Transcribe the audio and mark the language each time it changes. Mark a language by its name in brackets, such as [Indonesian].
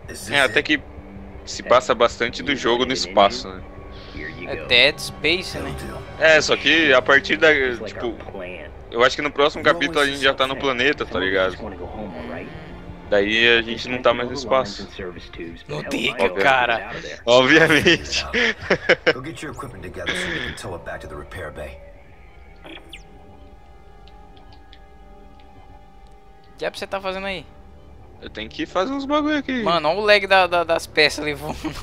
[Portuguese] É, até que se passa bastante do jogo no espaço, né? É Dead Space, né? É, só que a partir da, tipo, eu acho que no próximo capítulo a gente já tá no planeta, tá ligado? Daí a gente não tá mais no espaço. No dica, cara. Obviamente. [English] Go get your equipment together so we can tow it back to the repair bay. [Portuguese] O que é que você tá fazendo aí? Eu tenho que fazer uns bagulho aqui. Mano, olha o lag das peças ali voando.